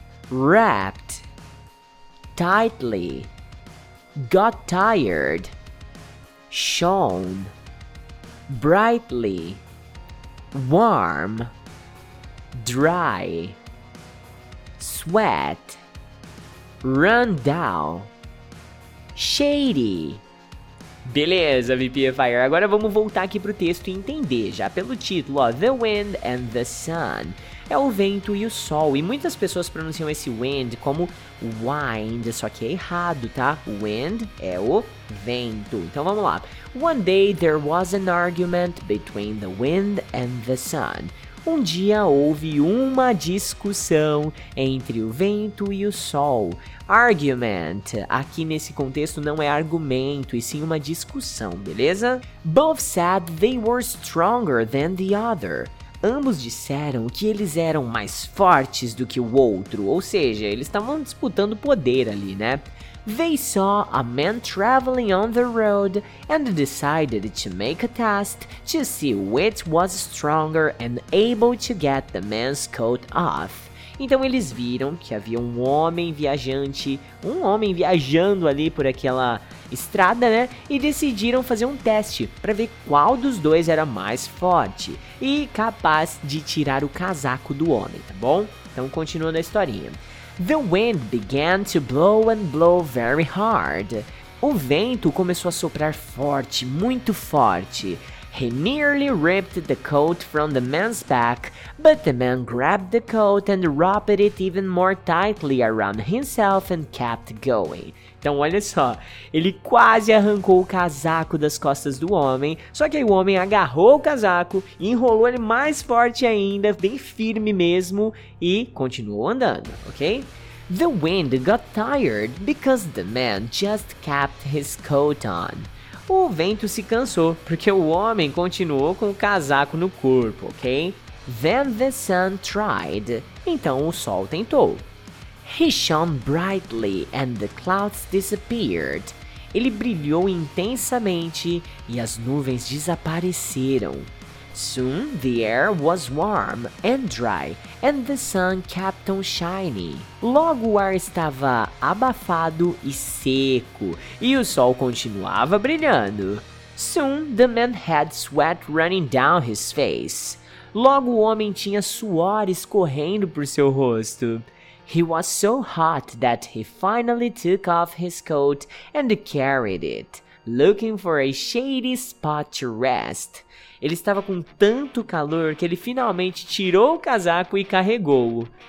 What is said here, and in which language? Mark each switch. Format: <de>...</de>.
<en>wrapped, tightly, got tired, shone, brightly, warm, dry, sweat, run down, shady.</en> <pt>Beleza, VPFire, agora vamos voltar aqui pro texto e entender, já pelo título, ó, The Wind and the Sun. É o vento e o sol, e muitas pessoas pronunciam esse wind como wind, só que é errado, tá? Wind é o vento. Então vamos lá.</pt> <en>One day there was an argument between the wind and the sun.</en> <pt>Um dia houve uma discussão entre o vento e o sol. Argument, aqui nesse contexto não é argumento, e sim uma discussão, beleza?</pt> <en>Both said they were stronger than the other.</en> <pt>Ambos disseram que eles eram mais fortes do que o outro, ou seja, eles estavam disputando poder ali, né?</pt> <en>They saw a man traveling on the road and decided to make a test to see which was stronger and able to get the man's coat off.</en> <pt>Então eles viram que havia um homem viajando ali por aquela estrada, né? E decidiram fazer um teste para ver qual dos dois era mais forte e capaz de tirar o casaco do homem, tá bom? Então continuando a historinha.</pt> <en>The wind began to blow and blow very hard.</en> <pt>O vento começou a soprar forte, muito forte.</pt> <en>He nearly ripped the coat from the man's back, but the man grabbed the coat and wrapped it even more tightly around himself and kept going.</en> <pt>Então olha só, ele quase arrancou o casaco das costas do homem, só que aí o homem agarrou o casaco, enrolou ele mais forte ainda, bem firme mesmo, e continuou andando, ok?</pt> <en>The wind got tired because the man just kept his coat on.</en> <pt>O vento se cansou, porque o homem continuou com o casaco no corpo, ok?</pt> <en>Then the sun tried.</en> <pt>Então o sol tentou.</pt> <en>He shone brightly and the clouds disappeared.</en> <pt>Ele brilhou intensamente e as nuvens desapareceram.</pt> <en>Soon the air was warm and dry and the sun kept on shining.</en> <pt>Logo o ar estava abafado e seco e o sol continuava brilhando.</pt> <en>Soon the man had sweat running down his face.</en> <pt>Logo o homem tinha suor escorrendo por seu rosto.</pt> <en>He was so hot that he finally took off his coat and carried it, looking for a shady spot to rest.</en> <pt>Ele estava com tanto calor que ele finalmente tirou o casaco e carregou-o.</pt>